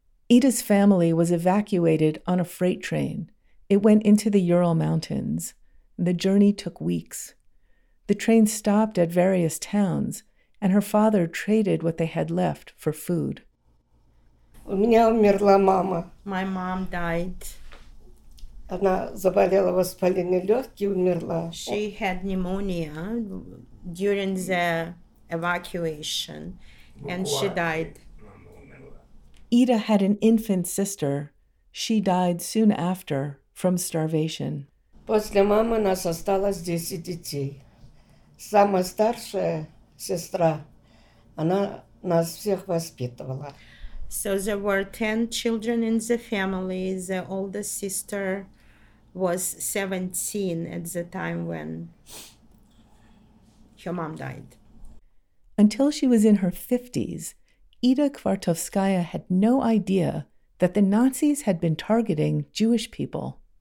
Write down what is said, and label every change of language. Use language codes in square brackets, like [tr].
[en] Ida's family was evacuated on a freight train. It went into the Ural Mountains. The journey took weeks. The train stopped at various towns, and her father traded what they had left for food. [ru] У меня умерла мама. [en] My mom died. [ru] Она заболела воспалением легких и умерла. [en] She had pneumonia during the evacuation, and she died. Ida had an infant sister. She died soon after from starvation. [ru] После мамы нас осталось 10 детей. Самая старшая сестра, она нас всех воспитывала. [en] So there were 10 children in the family. The oldest sister was 17 at the time when her mom died. Until she was in her 50s, Ida Kvartovskaya had no idea that the Nazis had been targeting Jewish people.